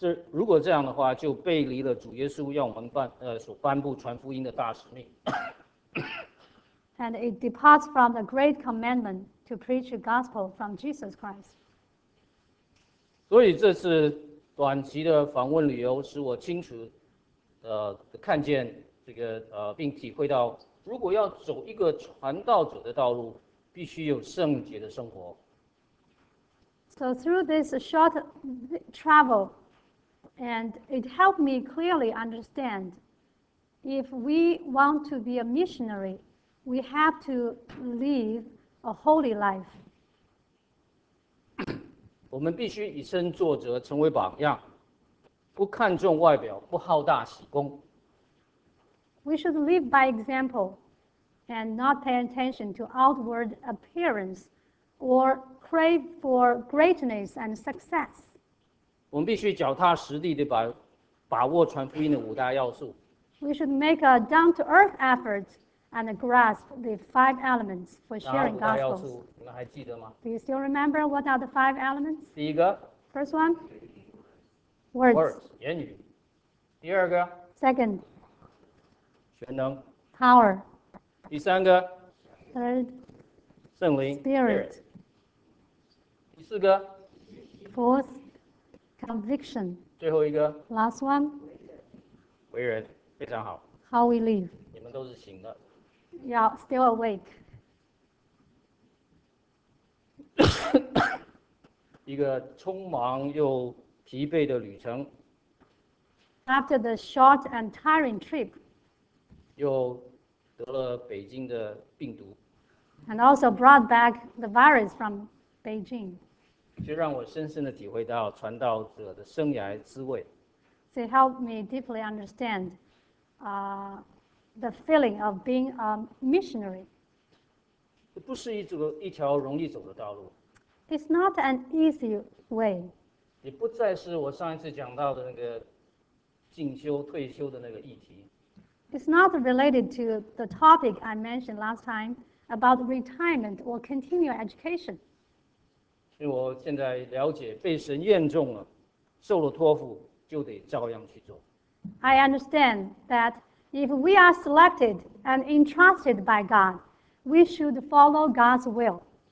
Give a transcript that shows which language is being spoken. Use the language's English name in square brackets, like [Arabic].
[Chinese] 如果这样的话，就背离了主耶稣要我们所颁布传福音的大使命。 [English] And it departs from the great commandment to preach the gospel from Jesus Christ. [Chinese] 所以这次短期的访问旅游使我清楚看见这个并体会到，如果要走一个传道者的道路，必须有圣洁的生活。 [English] So through this short travel, and it helped me clearly understand, if we want to be a missionary, we have to live a holy life. [Chinese] 我们必须以身作则，成为榜样，不看重外表，不好大喜功。 [English] We should live by example and not pay attention to outward appearance or crave for greatness and success. [Chinese] 我们必须脚踏实地地把握传福音的五大要素。 [English] We should make a down-to-earth effort and grasp the five elements for sharing gospels. [Chinese] 那五大要素你们还记得吗？ [English] Do you still remember what are the five elements? [Chinese] 第一个。 [English] First one? Words. Words, [Chinese] 言语。第二个。 [English] Second. [Chinese] 全能 [English] ，power。 [Chinese] 第三个 [English] ，third， [Chinese] 圣灵 [English] ，spirit。 [Chinese] 第四个 [English] ，fourth， conviction。 [Chinese] 最后一个 [English] ，last one， [Chinese] 为人，非常好。 [English] How we live？ [Chinese] 你们都是醒的。 [English] Yeah, still awake 。 [Chinese] 一个匆忙又疲惫的旅程。 [English] After the short and tiring trip。 [Chinese] 又得了北京的病毒 [English] ，and also brought back the virus from Beijing. [Chinese] 就让我深深的体会到传道者的生涯滋味。 [English] So it helped me deeply understand, the feeling of being a missionary. [Chinese] 这不是一条容易走的道路。 [English] It's not an easy way. [Chinese] 也不再是我上一次讲到的那个进修退休的那个议题。 [English] It's not related to the topic I mentioned last time about retirement or continual education. [Chinese] 因为我现在了解，被神验中了，受了托付，就得照样去做。 [English] I understand that if we are selected and entrusted by God, we should follow God's will.